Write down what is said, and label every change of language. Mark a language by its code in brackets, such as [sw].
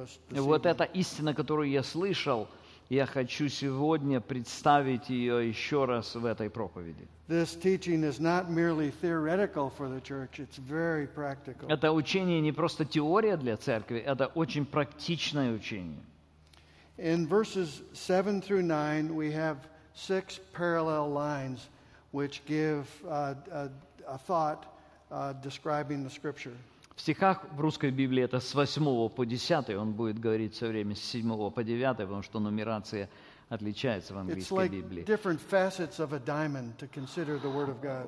[ru] Вот эта истина, которую я слышал, я хочу сегодня представить ее еще раз в этой проповеди. Это учение не просто теория для церкви, это очень практичное учение. [en] In verses 7 through 9, we have six parallel lines which give a thought describing the scripture. [ru] В стихах в русской Библии это с 8 по 10, он будет говорить все время с 7 по 9, потому что нумерация отличается в английской Библии. [en] It's like different facets of a diamond to consider the Word of God.